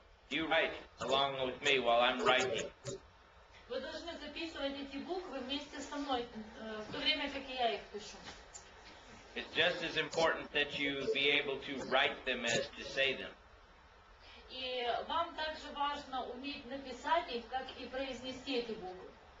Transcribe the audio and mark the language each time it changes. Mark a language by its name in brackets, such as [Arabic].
[English] You write along with me while I'm writing. [Russian] Вы должны записывать эти буквы вместе со мной, в то время как я их пишу. [English] It's just as important that you be able to write them as to say them. [Russian] И вам также важно уметь написать их, как и произнести эти буквы.